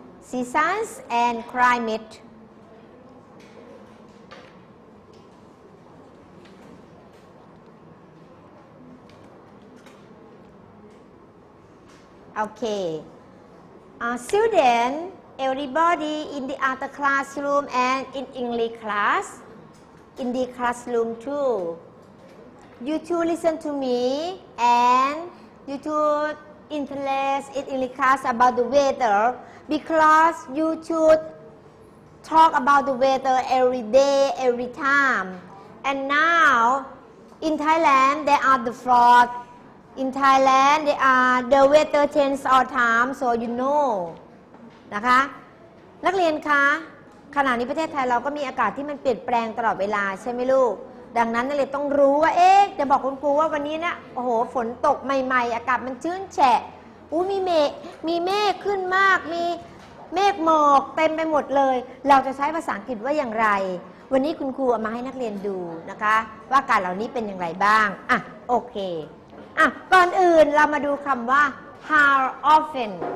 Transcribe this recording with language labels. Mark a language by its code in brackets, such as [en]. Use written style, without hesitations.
[en] seasons and climate โอเค student everybody in the other classroom and in English classIn the classroom too. You two listen to me and you two interested in the class about the weather because you two talk about the weather every day, every time. And now in Thailand there are the frost. In Thailand there are the weather change all time, so you know. [th] นะคะนักเรียนคะขณะนี้ประเทศไทยเราก็มีอากาศที่มันเปลี่ยนแปลงตลอดเวลาใช่ไหมลูกดังนั้นนักเรียนต้องรู้ว่าเอ๊ะจะบอกคุณครูว่าวันนี้เนี่ยโอ้โหฝนตกใหม่ๆอากาศมันชื้นแฉะอู้มีเมฆขึ้นมากมีเมฆหมอกเต็มไปหมดเลยเราจะใช้ภาษาอังกฤษว่าอย่างไรวันนี้คุณครูเอามาให้นักเรียนดูนะคะว่าอากาศเหล่านี้เป็นอย่างไรบ้างอ่ะโอเคอ่ะก่อนอื่นเรามาดูคำว่า how often